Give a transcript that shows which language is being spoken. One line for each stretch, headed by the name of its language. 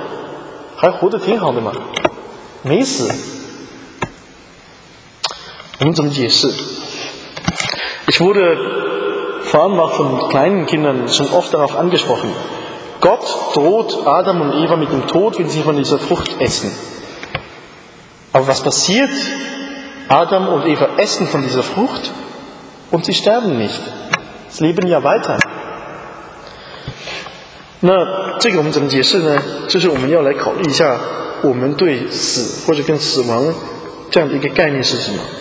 Chinese: 我不知道你们有没有问过，你跟小孩讲这个故事的时候，就说神会告诉亚当说你不可吃这个果子，因为你吃的日子你必定死。结果夏娃、亚当他们都吃了，吃了以后怎么样？还活得挺好的嘛，没死。
German: Ich wurde vor allem auch von kleinen Kindern schon oft darauf angesprochen. Gott droht Adam und Eva mit dem Tod, wenn sie von dieser Frucht essen. Aber was passiert? Adam und Eva essen von dieser Frucht und sie sterben nicht. Sie leben ja weiter.
Chinese: 那这个我们怎么解释呢？就是我们要来考虑一下我们对死或者跟死亡这样的一个概念是什么。